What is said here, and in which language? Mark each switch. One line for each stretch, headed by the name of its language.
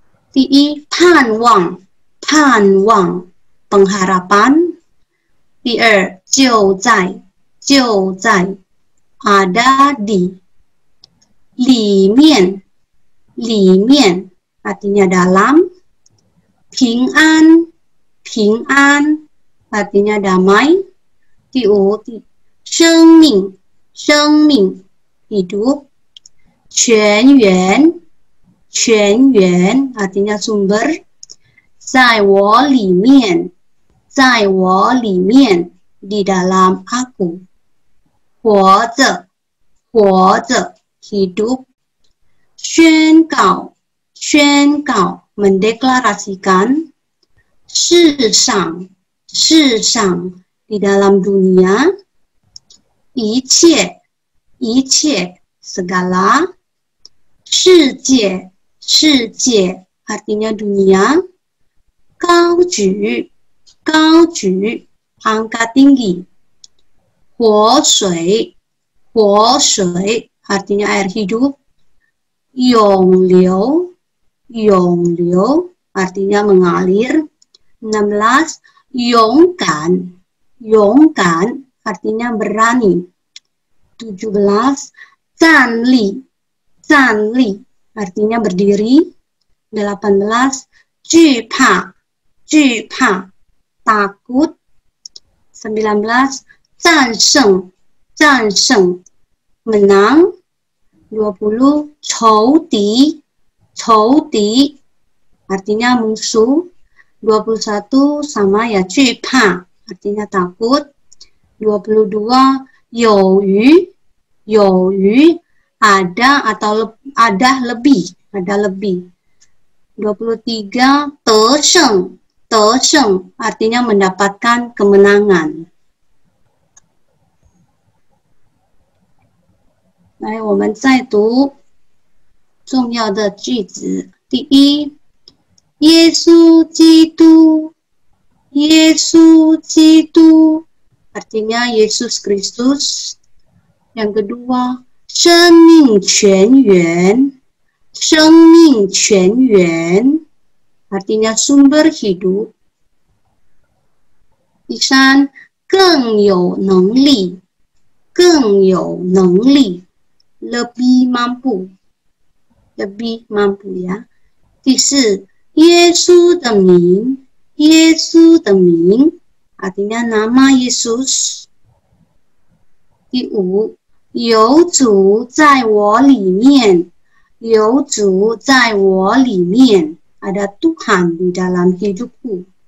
Chinese: 第一, 盼望, 盼望,
Indonesian: pengharapan.
Chinese: 第二, 就在, 就在,
Indonesian: ada di.
Chinese: 里面, 里面,
Indonesian: artinya dalam.
Chinese: 平安, 平安,
Indonesian: artinya damai.
Chinese: 第五, 生命, 生命,
Indonesian: hidup.
Chinese: 全员, 全员,
Indonesian: artinya sumber.
Chinese: 在我里面, 在我里面,
Indonesian: di dalam aku.
Chinese: 活着, 活着,
Indonesian: hidup.
Chinese: 宣告, 宣告,
Indonesian: mendeklarasikan.
Chinese: 世上, 世上,
Indonesian: di dalam dunia.
Chinese: 一切, 一切,
Indonesian: segala.
Chinese: 世界, 世界,
Indonesian: artinya dunia.
Chinese: 高举, 高举,
Indonesian: angkat tinggi.
Chinese: 活水, 活水,
Indonesian: artinya air hidup.
Chinese: 永流, 永流,
Indonesian: artinya mengalir.
Chinese: 16, 勇敢, 勇敢,
Indonesian: artinya berani.
Chinese: 17, 站立, 站立,
Indonesian: artinya berdiri.
Chinese: 18, 惧怕, 惧怕,
Indonesian: takut.
Chinese: 19, 战胜, 战胜,
Indonesian: menang.
Chinese: 20, 仇敌, 仇敌,
Indonesian: artinya musuh. 21, sama ya,
Chinese: 惧怕,
Indonesian: artinya takut. 22,
Chinese: 有余, 有余,
Indonesian: ada atau ada lebih, ada lebih. 23,
Chinese: 得胜, 得胜,
Indonesian: artinya mendapatkan kemenangan.
Chinese: 来，我们再读重要的句子。第一， 耶稣基督, 耶稣基督,
Indonesian: artinya Yesus Kristus. Yang kedua,
Chinese: 生命泉源, 生命泉源,
Indonesian: artinya sumber hidup.
Chinese: 第三, 更有能力, 更有能力,
Indonesian: lebih mampu, lebih mampu ya.
Chinese: 第四, 耶稣的名, 耶稣的名,
Indonesian: artinya nama Yesus.
Chinese: 第五, 有主在我里面, 有主在我里面,
Indonesian: ada Tuhan di dalam hidupku.